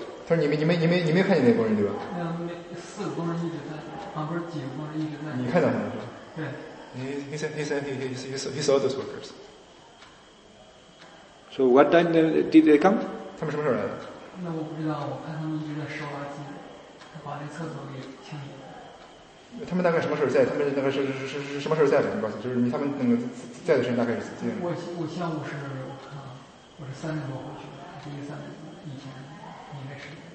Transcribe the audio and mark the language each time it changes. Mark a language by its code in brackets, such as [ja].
[zh] 他说你没看见那工人对吧？嗯，四个工人一直在，旁边几个工人一直在。你看到他们是吧？对。 [en] He said he saw those workers. So what time did they come? [zh] 他们什么时候来的？那我不知道，我看他们一直在收垃圾，把那厕所给清理。他们大概什么时候在？他们那个是什么时候在的？你告诉我，就是他们那个在的时间大概是几点？我下午是，我是三点多回去的，凌晨以前应该是。